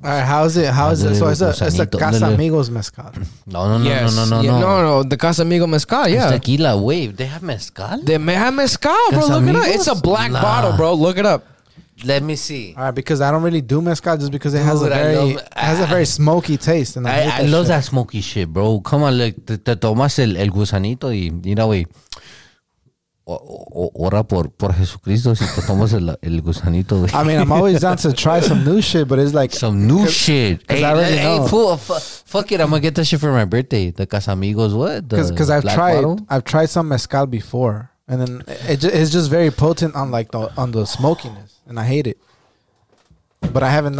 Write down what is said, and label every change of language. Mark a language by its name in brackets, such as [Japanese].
[English] All right, how is it? So it's a Casamigos mezcal. No, the Casamigos mezcal, yeah. It's tequila wave. They have mezcal? They may have mezcal, bro. Look it up. It's a black bottle, bro. Look it up. Let me see. All right, because I don't really do mezcal just because it has a very smoky taste. And I love that smoky shit, bro. Come on, look. [Spanish] Te tomas el gusanito y mira, güey. Ora por Jesucristo si te tomas el gusanito, güey. [English] I mean, I'm always down to try some new shit, but it's like... Some new shit. Fuck it. I'm going to get that shit for my birthday. The Casamigos, what? Because I've tried some mezcal before. And then it's just very potent on like the smokiness. And I hate it. But I haven't.